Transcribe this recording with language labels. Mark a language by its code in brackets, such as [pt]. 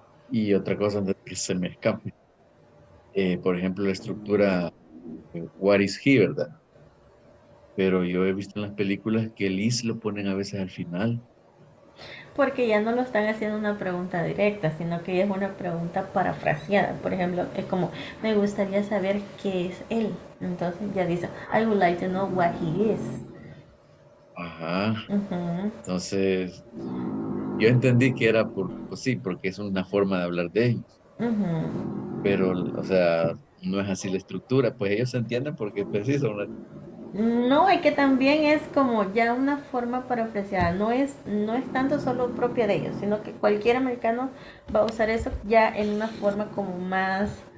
[es] Y otra cosa antes que se me escape, por ejemplo, la estructura [en] what is he, [es] ¿verdad? Pero yo he visto en las películas que el is lo ponen a veces al final. Porque ya no lo están haciendo una pregunta directa, sino que es una pregunta parafraseada. Por ejemplo, es como, me gustaría saber qué es él. Entonces ya dice, [en] I would like to know what he is. [es] Ajá. Uh-huh. Entonces, yo entendí que era por, pues sí, porque es una forma de hablar de ellos. Uh-huh. Pero, o sea, no es así la estructura. Pues ellos se entienden porque es preciso una... No, y que también es como ya una forma para ofrecer, no es tanto solo propia de ellos, sino que cualquier americano va a usar eso ya en una forma como más...